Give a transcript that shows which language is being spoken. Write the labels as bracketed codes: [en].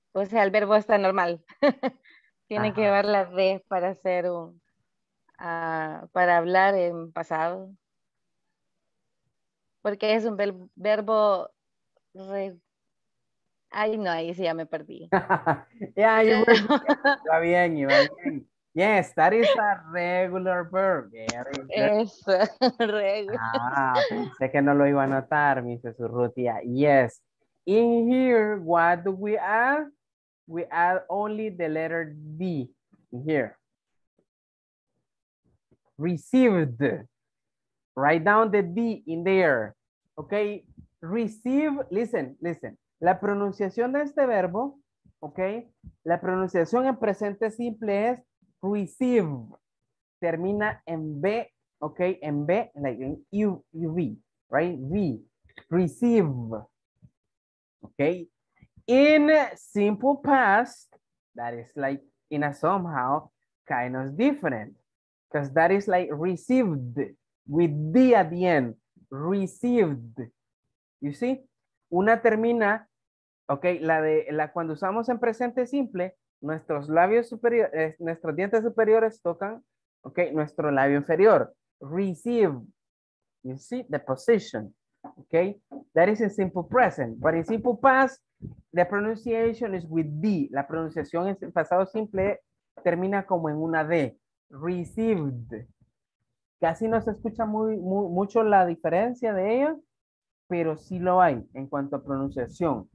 [es] O sea, el verbo está normal. Tiene que llevar la D para hacer un, para hablar en pasado. Porque es un verbo, ay no, ahí sí ya me perdí. [en] Yeah, you were, [es] está bien, [en] you were bien. Yes, that is a regular verb. [es] Es regular. Ah, sé que no lo iba a notar, Mrs. Urrutia. Yes. [en] In here, what do we add? We add only the letter D here. Received. Write down the D in there. Okay. Receive. Listen, listen. [es] La pronunciación de este verbo, okay, la pronunciación en presente simple es receive. Termina en B, okay, en B, [en] like in UV, right? [es] V. Receive. Okay. [en] In simple past, that is like in a somehow kind of different, because that is like received with D at the end, received. You see? [es] Una termina, okay, la de la cuando usamos en presente simple, nuestros labios superiores, nuestros dientes superiores tocan, okay, nuestro labio inferior, receive. [en] You see the position. Okay, that is in simple present, but in simple past, the pronunciation is with D. [es] La pronunciación en pasado simple termina como en una D. Received. Casi no se escucha mucho la diferencia de ella, pero sí lo hay en cuanto a pronunciación.